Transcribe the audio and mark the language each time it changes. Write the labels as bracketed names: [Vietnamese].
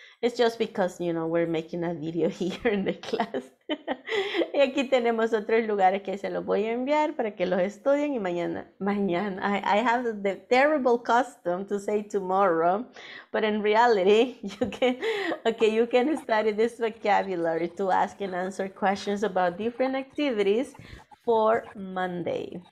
[English] It's just because, you know, we're making a video here in the class. [Spanish] Y aquí tenemos otros lugares que se los voy a enviar para que los estudien y mañana. [English] I have the terrible custom to say tomorrow, but in reality, you can study this vocabulary to ask and answer questions about different activities for Monday.